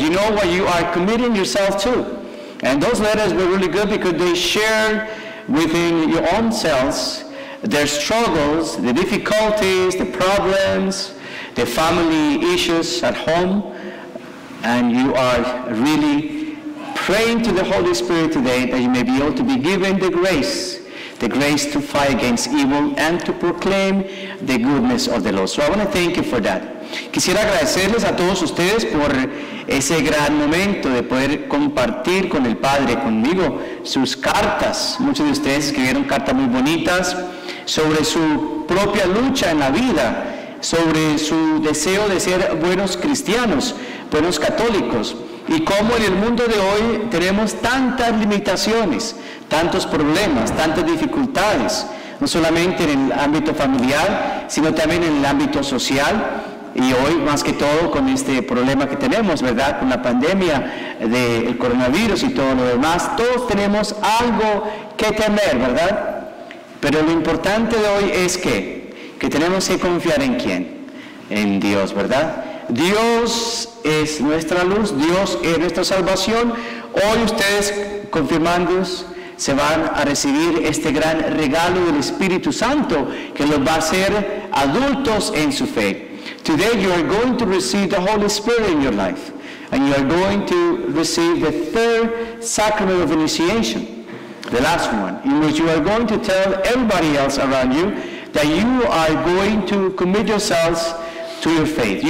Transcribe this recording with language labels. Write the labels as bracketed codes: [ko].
[en] You know what you are committing yourself to. And those letters were really good because they share within your own selves their struggles, the difficulties, the problems, the family issues at home. And you are really praying to the Holy Spirit today that you may be able to be given the grace to fight against evil and to proclaim the goodness of the Lord. So I want to thank you for that. [es] Quisiera agradecerles a todos ustedes por ese gran momento de poder compartir con el Padre, conmigo, sus cartas. Muchos de ustedes escribieron cartas muy bonitas sobre su propia lucha en la vida, sobre su deseo de ser buenos cristianos, buenos católicos, y cómo en el mundo de hoy tenemos tantas limitaciones, tantos problemas, tantas dificultades, no solamente en el ámbito familiar, sino también en el ámbito social. Y hoy, más que todo, con este problema que tenemos, ¿verdad?, con la pandemia del coronavirus y todo lo demás, todos tenemos algo que temer, ¿verdad? Pero lo importante de hoy es que tenemos que confiar en ¿quién? En Dios, ¿verdad? Dios es nuestra luz, Dios es nuestra salvación. Hoy ustedes, confirmándose, se van a recibir este gran regalo del Espíritu Santo que los va a hacer adultos en su fe. [en] Today you are going to receive the Holy Spirit in your life, and you are going to receive the third sacrament of initiation, the last one, in which you are going to tell everybody else around you that you are going to commit yourselves to your faith.